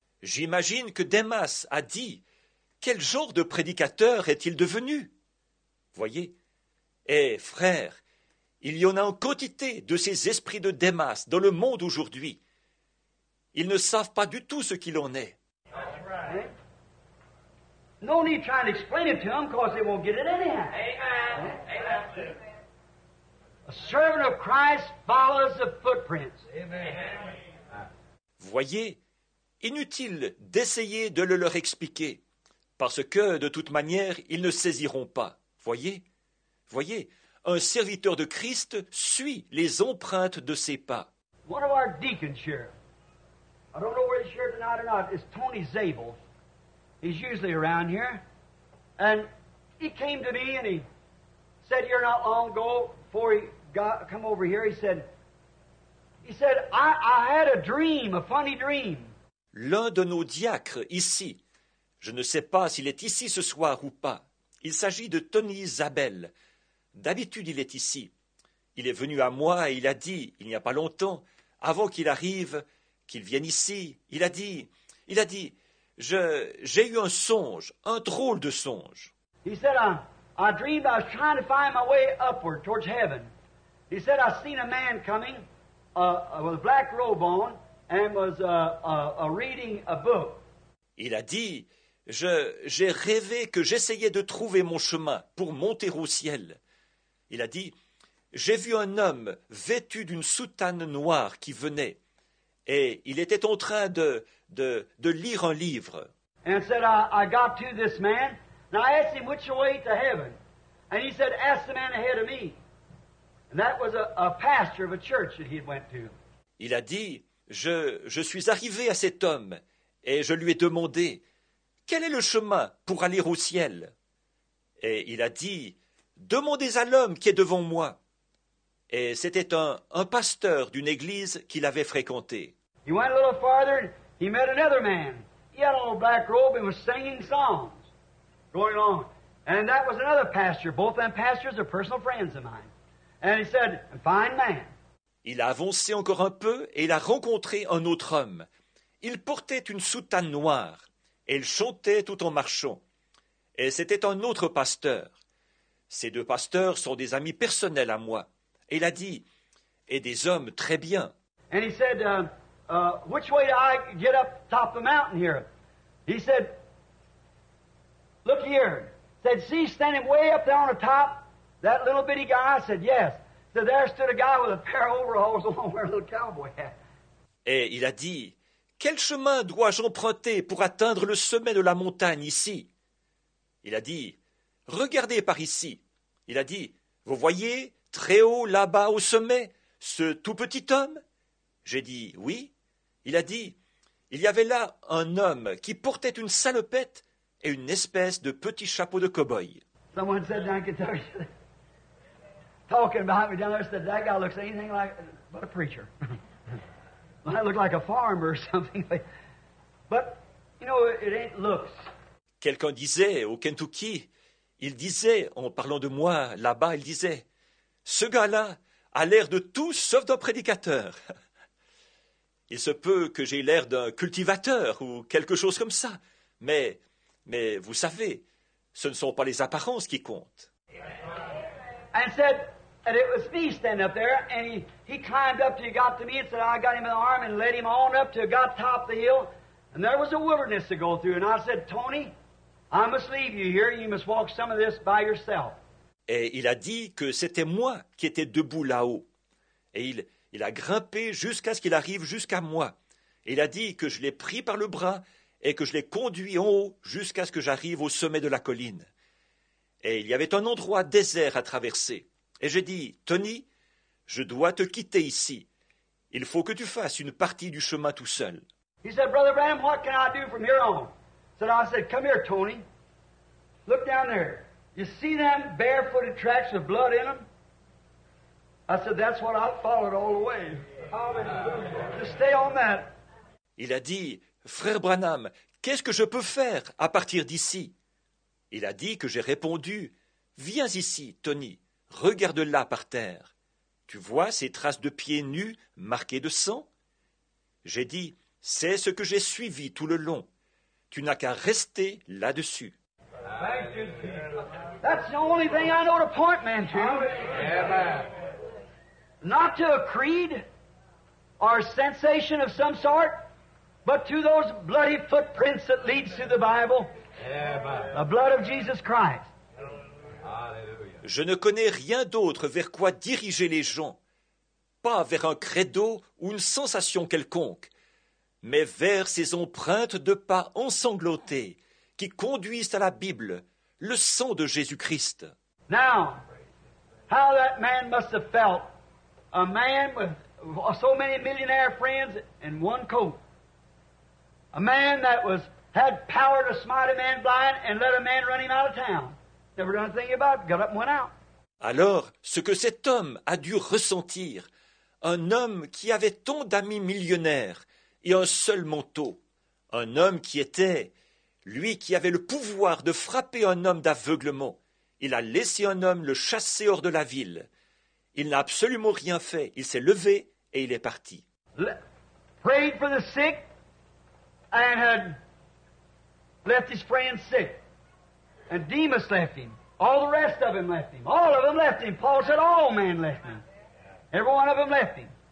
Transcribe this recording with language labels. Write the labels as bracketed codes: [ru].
[fr] J'imagine que Demas a dit, quel genre de prédicateur est-il devenu? Voyez, eh frère, il y en a en quantité de ces esprits de Demas dans le monde aujourd'hui. Ils ne savent pas du tout ce qu'il en est. [en] Right. No need trying to explain it to them, cause they won't get it anyhow. Amen. Amen. A servant of Christ follows the footprints. Amen. [fr] Voyez, inutile d'essayer de le leur expliquer, parce que, de toute manière, ils ne saisiront pas. Voyez, voyez, un serviteur de Christ suit les empreintes de ses pas. [en] One of our deacons here, I don't know whether he's here tonight or not, is Tony Zabel. He's usually around here. And he came to me and he said here not long ago, before he come over here, he said, I had a dream, a funny dream. [fr] L'un de nos diacres ici, je ne sais pas s'il est ici ce soir ou pas. Il s'agit de Tony Zabel. D'habitude, il est ici. Il est venu à moi et il a dit, il n'y a pas longtemps, avant qu'il arrive, qu'il vienne ici, il a dit, j'ai eu un songe, un drôle de songe. [en] He said, I dreamed I was trying to find my way upward towards heaven. He said, I seen a man coming with a black robe on and was reading a book. [fr] Il a dit, j'ai rêvé que j'essayais de trouver mon chemin pour monter au ciel. Il a dit, j'ai vu un homme vêtu d'une soutane noire qui venait et il était en train de lire un livre. [en] And said, I got to this man and I asked him which way to heaven. And he said, ask the man ahead of me. And that was a pastor of a church that he had went to. [fr] Il a dit, je suis arrivé à cet homme et je lui ai demandé, quel est le chemin pour aller au ciel? Et il a dit, demandez à l'homme qui est devant moi. Et c'était un pasteur d'une église qu'il avait fréquenté. [en] He went a little farther and he met another man. He had a little black robe and was singing songs going on. And that was another pastor. Both of them pastors are personal friends of mine. And he said, fine man. [fr] Il a avancé encore un peu et il a rencontré un autre homme. Il portait une soutane noire et il chantait tout en marchant. Et c'était un autre pasteur. Ces deux pasteurs sont des amis personnels à moi. Et il a dit, et des hommes très bien. [en] And he said, which way do I get up top of the mountain here? He said, look here. Said, see standing way up there on the top, that little bitty guy? I said, yes. So there stood a guy with a pair of overalls along with a little cowboy hat. [fr] Et il a dit, quel chemin dois-je emprunter pour atteindre le sommet de la montagne ici? Il a dit, regardez par ici. Il a dit, vous voyez, très haut là-bas au sommet, ce tout petit homme? J'ai dit, oui. Il a dit, il y avait là un homme qui portait une salopette et une espèce de petit chapeau de cow-boy. [en] Someone said down in Kentucky, talking about me down there, said that guy looks anything like but a preacher. I look like a farmer or something. But, you know, it ain't looks. [fr] Quelqu'un disait au Kentucky, il disait, en parlant de moi là-bas, il disait, ce gars-là a l'air de tout sauf d'un prédicateur. Il se peut que j'ai l'air d'un cultivateur ou quelque chose comme ça, mais vous savez, ce ne sont pas les apparences qui comptent. [en] And said, and it was me standing up there, and he climbed up till he got to me and said, I got him in the arm and led him on up till he got top of the hill, and there was a wilderness to go through, and I said, Tony, I must leave you here, you must walk some of this by yourself. [fr] Et il a dit que c'était moi qui étais debout là-haut, et il a grimpé jusqu'à ce qu'il arrive jusqu'à moi. Et il a dit que je l'ai pris par le bras et que je l'ai conduit en haut jusqu'à ce que j'arrive au sommet de la colline. Et il y avait un endroit désert à traverser. Et j'ai dit, Tony, je dois te quitter ici. Il faut que tu fasses une partie du chemin tout seul. [en] He said, Brother Branham, what can I do from here on? I said, come here, Tony. Look down there. You see them barefooted tracks with blood in them? I said, that's what I followed all the way. Just stay on that. [fr] Il a dit, Frère Branham, qu'est-ce que je peux faire à partir d'ici? Il a dit que j'ai répondu, viens ici, Tony, regarde là par terre. Tu vois ces traces de pieds nus marquées de sang? J'ai dit, c'est ce que j'ai suivi tout le long. Tu n'as qu'à rester là-dessus. [en] That's the only thing I know to point man to. Not to a creed or a sensation of some sort, but to those bloody footprints that leads to the Bible, the blood of Jesus Christ. [fr] Je ne connais rien d'autre vers quoi diriger les gens, pas vers un credo ou une sensation quelconque, mais vers ces empreintes de pas ensanglantées qui conduisent à la Bible, le sang de Jésus-Christ. [en] Now, how that man must have felt. A man with so many millionaire friends in one coat. A man that was had power to smite a man blind and let a man run him out of town. Never done a thing about it. Got up and went out. [fr] Alors, ce que cet homme a dû ressentir, un homme qui avait tant d'amis millionnaires et un seul manteau, un homme qui était, lui qui avait le pouvoir de frapper un homme d'aveuglement, il a laissé un homme le chasser hors de la ville. Il n'a absolument rien fait. Il s'est levé et il est parti. [en] Prayed for the sick and had left his friends sick. And Demas left him. All the rest of them left him. All of them left him. Paul said all men left him. Every one of them left him.